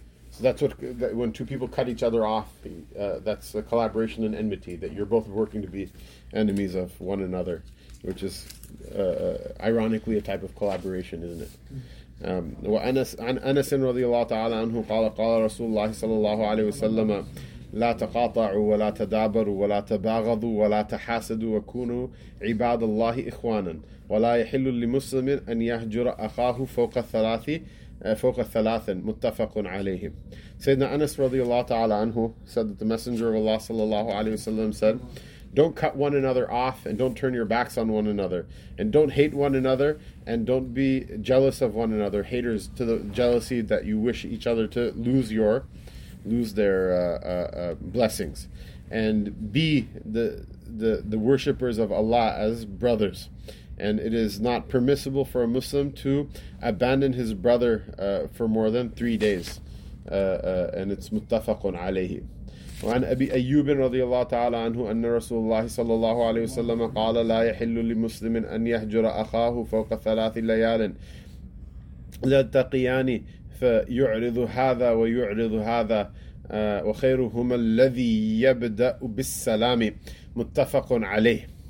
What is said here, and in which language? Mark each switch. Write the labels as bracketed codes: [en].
[en] So that's what, when two people cut each other off, that's a collaboration and enmity, that you're both working to be enemies of one another, which is ironically a type of collaboration, isn't it? [ar] وأنس عن أنس رضي الله تعالى عنه قال قال رسول الله صلى الله عليه وسلم لا تقاطعوا ولا تدابروا ولا تباغضوا ولا تحاسدوا وكونوا عباد الله إخوانا ولا يحل لمسلم أن يهجر أخاه فوق الثلاث فوق الثلاث متفق عليه. سيدنا أنس رضي الله تعالى عنه [en] said that the messenger of Allah [ar] صلى الله عليه وسلم [en] said, don't cut one another off and don't turn your backs on one another and don't hate one another and don't be jealous of one another, haters to the jealousy that you wish each other to lose their blessings, and be the worshippers of Allah as brothers. And it is not permissible for a Muslim to abandon his brother for more than 3 days, and it's muttafaqun alayhi. [ar] وعن أبي أيوب رضي الله تعالى عنه أن رسول الله صلى الله عليه وسلم قال لا يحل لمسلم أن يهجر أخاه فوق ثلاث ليال لتقيان فيعرض هذا ويعرض هذا وخيرهما الذي يبدأ بالسلام متفق عليه.